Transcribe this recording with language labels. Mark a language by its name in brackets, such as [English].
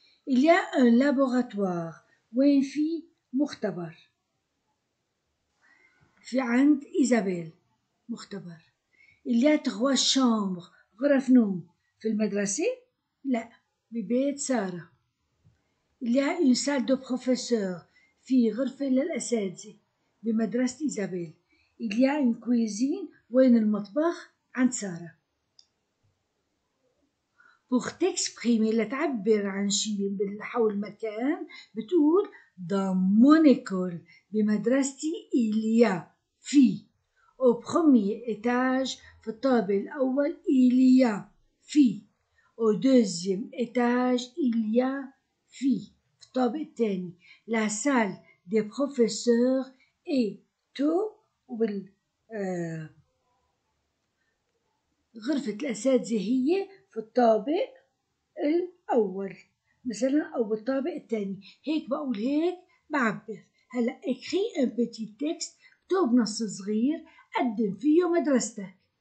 [French] il y a un laboratoire، [Arabic] وين في مختبر؟ في عند إيزابيل مختبر. [French] il y a trois chambres، [Arabic] غرف نوم في المدرسة؟ لا، ببيت سارة. [French] il y a une salle de professeur، [Arabic] في غرفة للأساتذة بمدرسة إيزابيل. [French] il y a une cuisine، [Arabic] وين المطبخ؟ عند سارة. [French] pour t'exprimer، [Arabic] لتعبر عن شيء حول مكان، بتقول [French] dans mon école، [Arabic] بمدرستي [French] il y a، [Arabic] في. [French] au premier étage، [Arabic] في الطابق الأول [French] il y a، في. au deuxième étage il y a، في، [Arabic] في الطابق الثاني. [French] la salle des professeurs est au، [Arabic] وبال غرفة الأساتذة هي في الطابق الأول مثلا أو بالطابق الثاني. هيك بقول، هيك بعبر. هلا اكري ان بيتي تكست، اكتب نص صغير قدم فيه مدرستك.